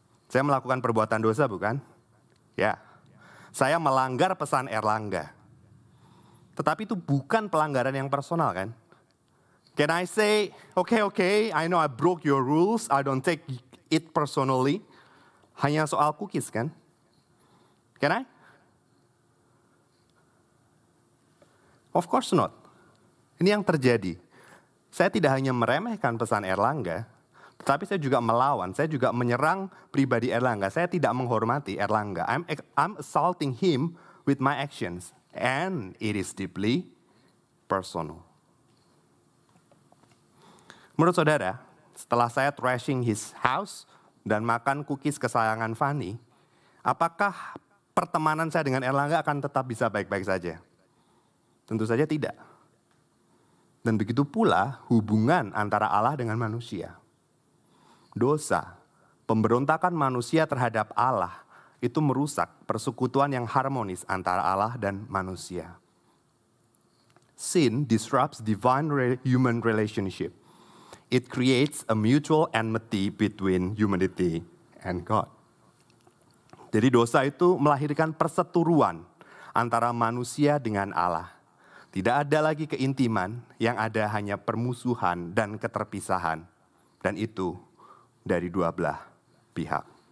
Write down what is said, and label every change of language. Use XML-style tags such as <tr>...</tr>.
<id>Saya melakukan perbuatan dosa bukan? Ya. Saya melanggar pesan Erlangga. Tetapi itu bukan pelanggaran yang personal kan?</id> <en>Can I say, okay, I know I broke your rules, I don't take it personally.</en> <id>Hanya soal cookies kan?</id> <en>Can I? Of course not.</en> <id>Ini yang terjadi. Saya tidak hanya meremehkan pesan Erlangga, tetapi saya juga melawan, saya juga menyerang pribadi Erlangga. Saya tidak menghormati Erlangga.</id> <en>I'm assaulting him with my actions. And it is deeply personal.</en> <id>Menurut saudara, setelah saya</id> <en>trashing his house</en> <id>dan makan cookies kesayangan Fanny, apakah pertemanan saya dengan Erlangga akan tetap bisa baik-baik saja? Tentu saja tidak. Dan begitu pula hubungan antara Allah dengan manusia. Dosa, pemberontakan manusia terhadap Allah itu merusak persekutuan yang harmonis antara Allah dan manusia.</id> <en>Sin disrupts divine human relationship. It creates a mutual enmity between humanity and God.</en> <id>Jadi dosa itu melahirkan perseteruan antara manusia dengan Allah. Tidak ada lagi keintiman, yang ada hanya permusuhan dan keterpisahan. Dan itu dari dua belah pihak.</id>